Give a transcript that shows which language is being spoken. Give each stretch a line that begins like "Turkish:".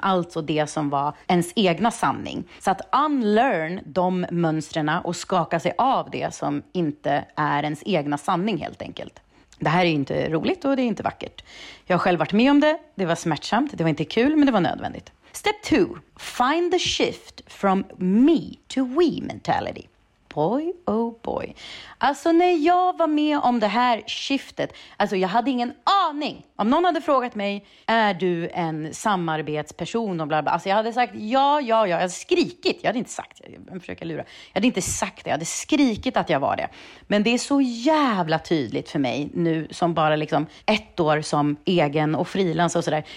Swedish: Alltså det som var ens egna sanning. Så att unlearn de mönstren och skaka sig av det som inte är ens egna sanning helt enkelt. Det här är inte roligt och det är inte vackert. Jag har själv varit med om det. Det var smärtsamt. Det var inte kul, men det var nödvändigt.
English: Step 2. Find the shift from me to we mentality. Boy, oh boy.
Swedish: Alltså när jag var med om det här skiftet. Alltså jag hade ingen aning. Om någon hade frågat mig, är du en samarbetsperson? Och bla bla. Alltså jag hade sagt ja. Jag hade skrikit. Jag hade inte sagt det. Jag försöker lura. Jag hade inte sagt det. Jag hade skrikit att jag var det. Men det är så jävla tydligt för mig nu som bara liksom 1 år som egen och frilans och sådär.